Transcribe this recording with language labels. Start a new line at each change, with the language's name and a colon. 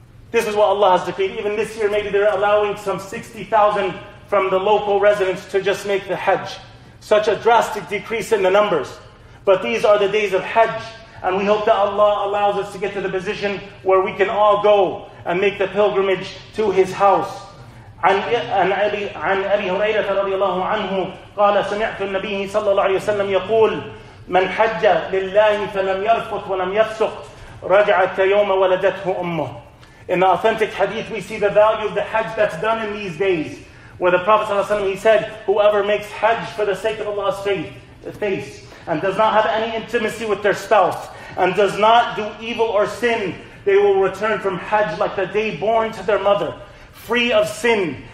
English: This is what Allah has decreed. Even this year, maybe they're allowing some 60,000 from the local residents to just make the Hajj. Such a drastic decrease in the numbers. But these are the days of Hajj, and we hope that Allah allows us to get to the position where we can all go and make the pilgrimage to His house.
Arabic: عن أبي هريرة رضي الله عنه قال سمعت النبي صلى الله عليه وسلم يقول من حج لله فلم يرفث ولم يفسق رجع كيوم ولدته أمه.
English: In the authentic hadith, we see the value of the Hajj that's done in these days, where the Prophet
Arabic: صلى الله عليه وسلم,
English: he said, whoever makes Hajj for the sake of Allah's face and does not have any intimacy with their spouse and does not do evil or sin, they will return from Hajj like the day born to their mother, free of sin.